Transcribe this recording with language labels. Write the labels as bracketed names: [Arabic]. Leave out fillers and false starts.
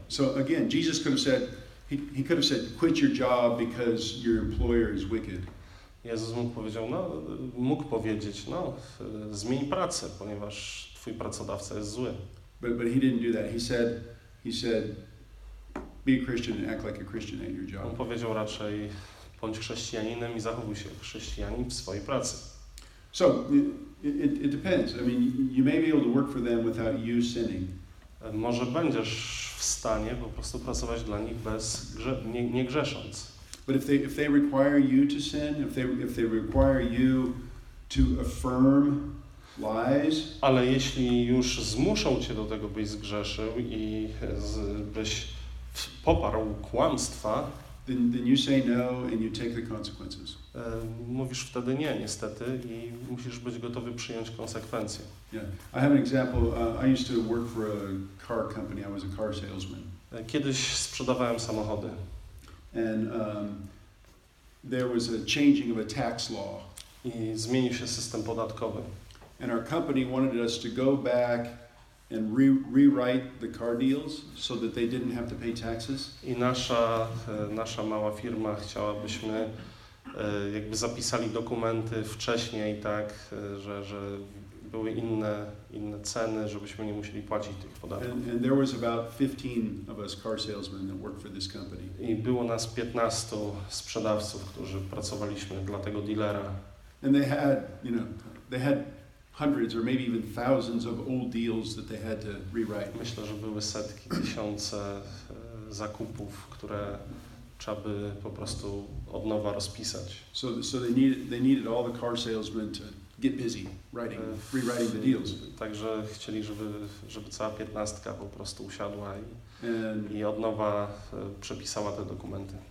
[English] So again, Jesus could have said, he could have said, quit your job because your employer is wicked. [Polish] Jezus mógł powiedzieć, zmień pracę, ponieważ twój pracodawca jest zły. [English] But he didn't do that. He said, be a Christian and act like a Christian at your job. [Polish] On powiedział raczej, bądź chrześcijaninem i zachowuj się jak chrześcijanin w swojej pracy. [English] So, it depends. I mean, you may be able to work for them without you sinning. [Polish] Może będziesz w stanie po prostu pracować dla nich bez nie grzesząc. [English] But if they require you to sin, if they require you to affirm lies. [Polish] Ale jeśli już zmuszą cię do tego, byś zgrzeszył i byś poparł kłamstwa, [English] then you say no and you take the consequences. [Polish] Mówisz wtedy nie, niestety, i musisz być gotowy przyjąć konsekwencje. [English] Yeah. I have an example. I used to work for a car company. I was a car salesman. [Polish] Kiedyś sprzedawałem samochody. [English] And there was a changing of a tax law. [Polish] I zmienił się system podatkowy. [English] And our company wanted us to go back and rewrite the car deals so that they didn't have to pay taxes. [Polish] I nasza mała firma chciała, byśmy jakby zapisali dokumenty wcześniej tak, że były inne ceny, żebyśmy nie musieli płacić tych podatków. [English] And there was about 15 of us car salesmen that worked for this company. [Polish] I było nas 15 sprzedawców, którzy pracowaliśmy dla tego dealera. [English] And they had, you know, they had hundreds or maybe even thousands of old deals that they had to rewrite. [Polish] Myślę, że były setki, tysiące zakupów, które trzeba by po prostu od nowa rozpisać. [English] So they needed all the car salesmen to get busy rewriting the deals. [Polish] Także chcieli, żeby cała piętnastka po prostu usiadła i od nowa przepisała te dokumenty.